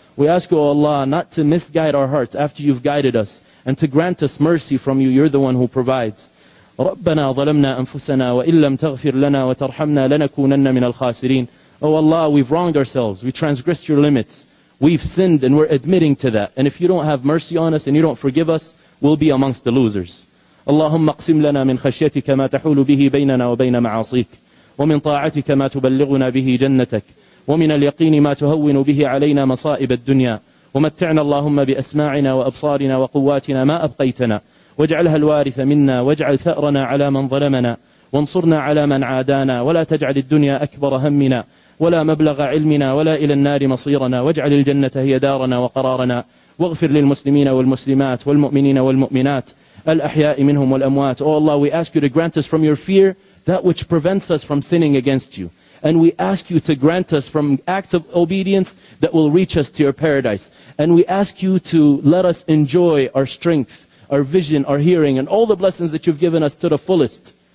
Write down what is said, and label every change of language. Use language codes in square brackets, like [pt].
[en] We ask you, Allah, not to misguide our hearts after you've guided us and to grant us mercy from you. You're the one who provides. [ar] رَبَّنَا ظَلَمْنَا أَنفُسَنَا وَإِنْ لَمْ تَغْفِرْ لَنَا وَتَرْحَمْنَا لَنَكُونَنَّ مِنَ الْخَاسِرِينَ. [en] Oh Allah, we've wronged ourselves. We transgressed your limits. We've sinned and we're admitting to that. And if you don't have mercy on us and you don't forgive us, we'll be amongst the losers. [ar] اللَّهُمَّ اقْسِمْ لَنَا مِنْ خَشْيَتِكَ مَا تَحُولُ بِهِ بَيْنَنَا وَبَيْنَ مَعَاصِيكَ وَمِنْ طَاعَتِكَ مَا تُبَلِّغُنَا بِهِ جَنَّتَكَ وَمِنَ الْيَقِينِ مَا تُهَوِّنُ بِهِ عَلَيْنَا مَصَائِبَ الدُّنْيَا وَمَتَّعْنَا اللَّهُمَّ بِأَسْمَاعِنَا وَأَبْصَارِنَا وَقُوَّاتِنَا مَا أَبْقَيْتَنَا واجعلها الوارث منا واجعل ثأرنا على من ظلمنا وانصرنا على من عادانا ولا تجعل الدنيا أكبر همنا ولا مبلغ علمنا ولا إلى النار مصيرنا واجعل الجنة هي دارنا وقرارنا واغفر للمسلمين والمسلمات والمؤمنين والمؤمنات الأحياء منهم والأموات. [en] Oh Allah, we ask you to grant us from your fear that which prevents us from sinning against you. And we ask you to grant us from acts of obedience that will reach us to your paradise. And we ask you to let us enjoy our strength, our vision, our hearing, and all the blessings that you've given us to the fullest.